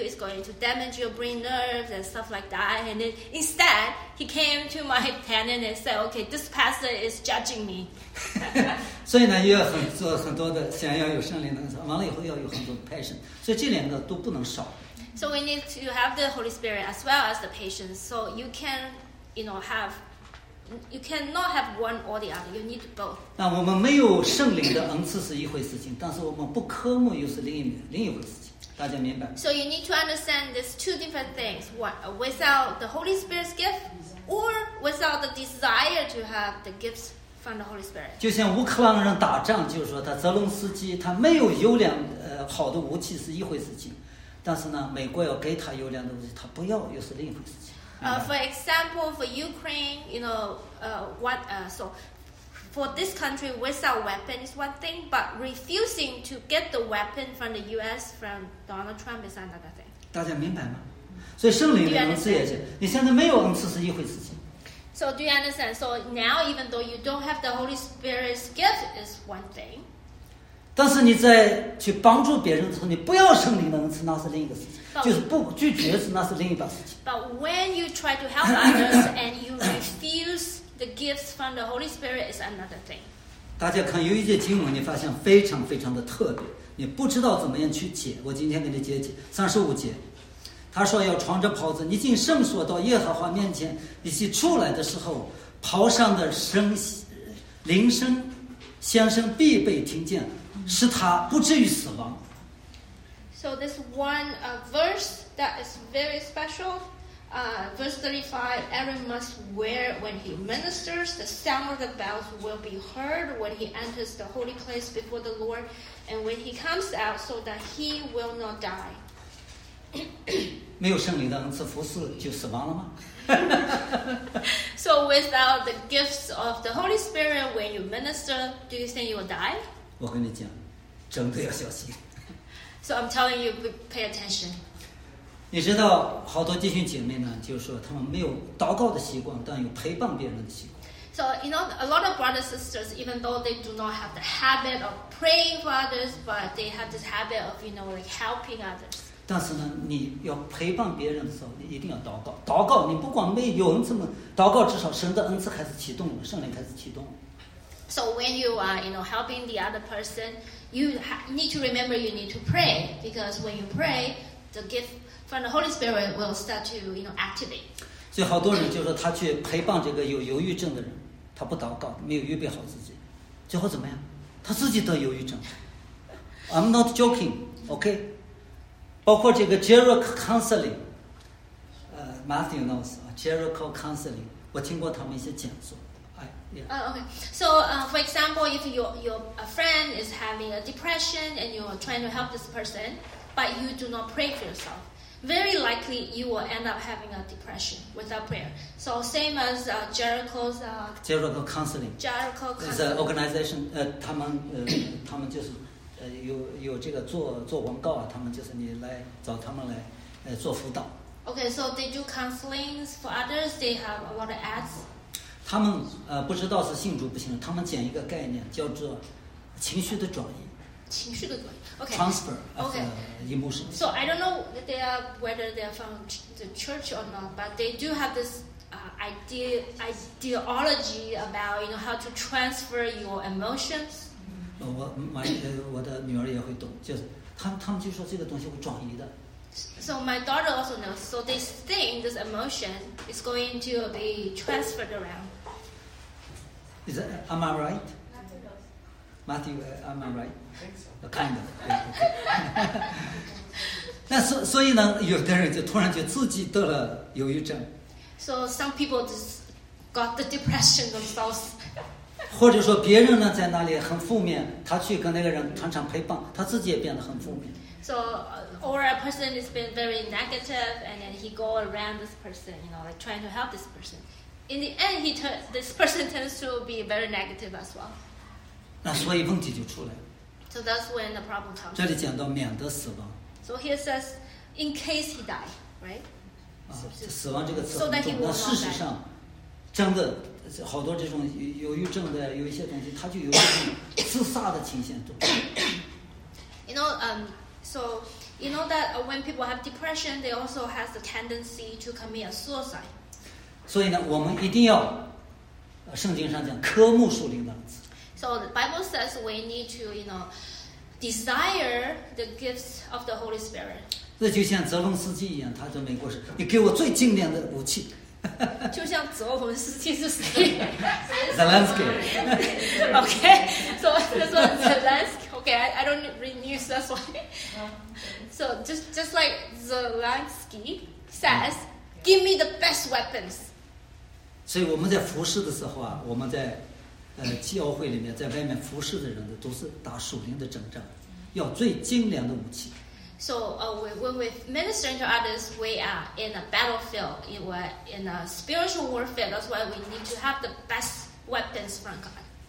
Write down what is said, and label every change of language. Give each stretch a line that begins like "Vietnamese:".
English: It's going to damage your brain nerves and stuff like that. And then instead, he came to my tenant and said, "Okay, this pastor is judging me."
Chinese: 所以呢，又要很做很多的，想要有圣灵的，完了以后要有很多 passion， 所以这两个都不能少。
English: So we need to have the Holy Spirit as well as the patience. So you can, you know, have, you cannot have one or the other. You need both.
Chinese: 那我们没有圣灵的恩赐是一回事情，但是我们不科目又是另一回事情。大家明白
English: ？So you need to understand these two different things. What without the Holy Spirit's gift, or without the desire to have the gifts from the Holy Spirit.
Chinese: 就像乌克兰人打仗，就是说他泽伦斯基他没有优良好的武器是一回事情。但是呢，美国要给他优良的东西，他不要又是另一回事情。
English: For example, for Ukraine, you know, so for this country without weapons, one thing, but refusing to get the weapon from the U.S. from Donald Trump is another thing.
Chinese: 大家明白吗？所以圣灵的恩赐也是，你现在没有恩赐是一回事情。
English: So do you understand? So now, even though you don't have the Holy Spirit's gift, is one thing.
Chinese: 但是你在去帮助别人的时候，你不要圣灵的恩赐，那是另一个事情。
English: But,
Chinese: 就是不拒绝是那是另一把事情。
English: But when you try to help others and you refuse the gifts from the Holy Spirit is another thing.
Chinese: 大家看有一节经文，你发现非常非常的特别，你不知道怎么样去解。我今天给你解35节，他说要穿着袍子，你进圣所到耶和华面前，以及出来的时候，袍上的铃声、响声必被听见。使他不至于死亡。
English: So this one verse that is very special, verse 35, Aaron must wear when he ministers, the sound of the bells will be heard when he enters the holy place before the Lord, and when he comes out, so that he will not die.
Chinese: 没有圣灵的恩赐，服侍就死亡了吗？
English: So without the gifts of the Holy Spirit, when you minister, do you think you will die?
Chinese: 我跟你讲，真的要小心。
English: So I'm telling you, pay attention.
Chinese: 你知道，好多弟兄姐妹呢，就是说他们没有祷告的习惯，但有陪伴别人的习惯。
English: So you know, a lot of brothers and sisters, even though they do not have the habit of praying for others, but they have this habit of, you know, like helping others.
Chinese: 但是呢，你要陪伴别人的时候，你一定要祷告。祷告，你不管没有恩赐吗？祷告至少神的恩赐开始启动了，圣灵开始启动了。
English: So when you are, you know, helping the other person, you need to remember you need to pray because when you pray, the gift from the Holy Spirit will start to, you know, activate.
Chinese: 所以好多人就是他去陪伴这个有忧郁症的人，他不祷告，没有预备好自己，最后怎么样？他自己得忧郁症。
English: I'm not joking, okay?
Chinese: 包括这个
English: Jericho Counseling, Matthew knows Jericho Counseling.
Chinese: 我听过他们一些讲座。
English: Okay. So, for example, if your friend is having a depression and you're trying to help this person, but you do not pray for yourself, very likely you will end up having a depression without prayer. So, same as Jericho's Jericho Counseling. Jericho Counseling is an organization.
Chinese: 他们就是有这个做广告啊，他们就是你来找他们来做辅导。
English: Okay, so they do counselings for others. They have a lot of ads.
Chinese: 他们不知道是信主不信，他们讲一个概念叫做情绪的转移。
English: Okay. Transfer of emotions. So I don't know they are, whether they are from the church or not, but they do have this ideology about, you know, how to transfer your emotions.
Chinese: 我的女儿也会懂，就是他们就说这个东西会转移的。
English: So my daughter also knows. So this thing, this emotion, is going to be transferred around. Is that, am I right? Matthew, am I right? I think so. Kind of.
Chinese: 那所以呢，有的人就突然就自己得了忧郁症。
English: So some people just got the depression themselves.
Chinese: 或者说别人呢在那里很负面，他去跟那个人常常陪伴，他自己也变得很负面。
English: So, or a person has been very negative, and then he go around this person, you know, like trying to help this person. In the end, this person tends to be very negative as well.
Chinese: 那所以问题就出来。
English: So that's when the problem comes.
Chinese: 这里讲到免得死亡。
English: So he says, in case he die, right?
Chinese: 死亡这个词很重要。那事实上，真的好多这种忧郁症的有一些东西，他就有一种自杀的倾向。
English: You know, so you know that when people have depression, they also have the tendency to commit suicide.
Chinese: 所以呢，我们一定要，圣经上讲科目属灵的。
English: So the Bible says we need to, you know, desire the gifts of the Holy Spirit.
Chinese: 这就像泽伦斯基一样，他在美国是，你给我最经典的武器。就像泽伦斯基是谁
English: ？Zelensky。 Okay, so that's what Zelensky. Okay, I don't read news, that's why. So just like Zelensky says, "Give me the best weapons."
Chinese: 所以我们在服侍的时候啊，我们在教会里面，在外面服侍的人都是打属灵的征战，要最精良的武器。
English: So when we minister to others, we are in a battlefield. We're in a spiritual warfare. That's why we need to have the best weapons from God.